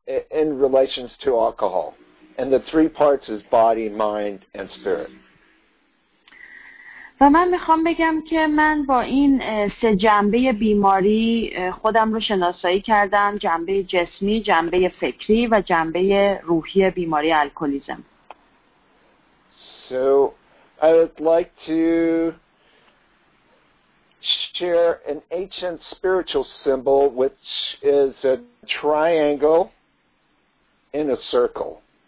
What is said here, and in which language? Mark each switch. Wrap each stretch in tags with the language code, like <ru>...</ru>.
<en>In relations to alcohol, and the three parts is body, mind, and spirit.</en> <fa>و من میخوام بگم که من با این سه جنبه بیماری خودم رو شناسایی کردم، جنبه جسمی، جنبه فکری و جنبه روحی بیماری الکلیسم.</fa> <en>So I would like to share an ancient spiritual symbol, which is a triangle in a circle.</en>